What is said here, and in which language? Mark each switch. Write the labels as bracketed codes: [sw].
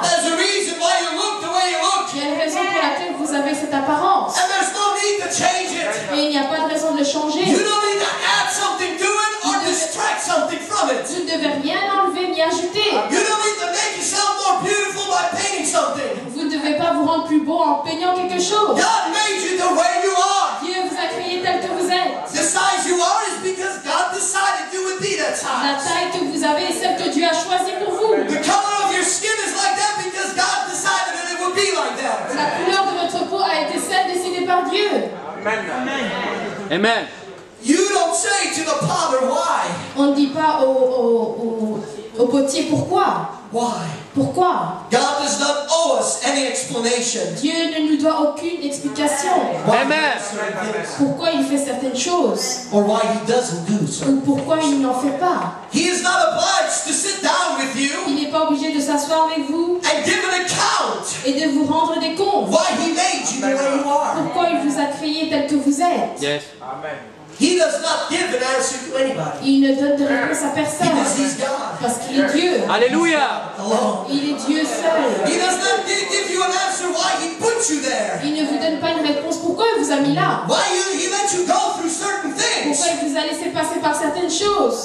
[en] There's a reason why you look the way you look. [fr] Il y a une raison pour laquelle vous avez cette apparence. [en] And there's no need to change it. [fr] Et il n'y a pas de raison de le changer. [en] You don't need to add something to it or distract something from it. [fr] Vous ne devez rien enlever ni ajouter. [en] You don't need to make yourself more beautiful by painting something. [fr] Vous ne devez pas vous rendre plus beau en peignant quelque chose. [en] God made you the way you are. [fr] Dieu vous a créé tel que vous êtes. [en] The size you are is because God decided you would be that size. [fr] La taille que vous avez est celle que Dieu a choisie pour vous. [en] The color of your skin is like that because God decided that it would be like that. [fr] La couleur de votre peau a été celle décidée par Dieu. [en] Amen. Amen. Amen. You don't say to the potter why. [fr] On ne dit pas au potier pourquoi. [en] Why? [fr] Pourquoi? [en] God does not owe us any explanation. [fr] Dieu ne nous doit aucune explication. [en] Why? Amen. [fr] Pourquoi il fait certaines choses? [en] Or why he doesn't do certain [fr] Ou pourquoi [en] things. [fr] Il n'en fait pas? [en] He is not obliged to sit down with you. [fr] Il n'est pas obligé de s'asseoir avec vous. [en] And give an account. [fr] Et de vous rendre des comptes. [en] Why he made you the way you are. [fr] Pourquoi il vous a créé tel que vous êtes? [en] Yes. Amen. He does not give an answer to anybody. [fr] Il ne donne de réponse à personne. [en] Because he's God. [fr] Parce qu'il est Dieu. Alléluia. Il est Dieu seul. [en] He does not give you an answer why he put you there. [fr] Il ne vous donne pas une réponse pourquoi il vous a mis là. [en] Why he let you go through certain things. [fr] Pourquoi il vous a laissé passer par certaines choses.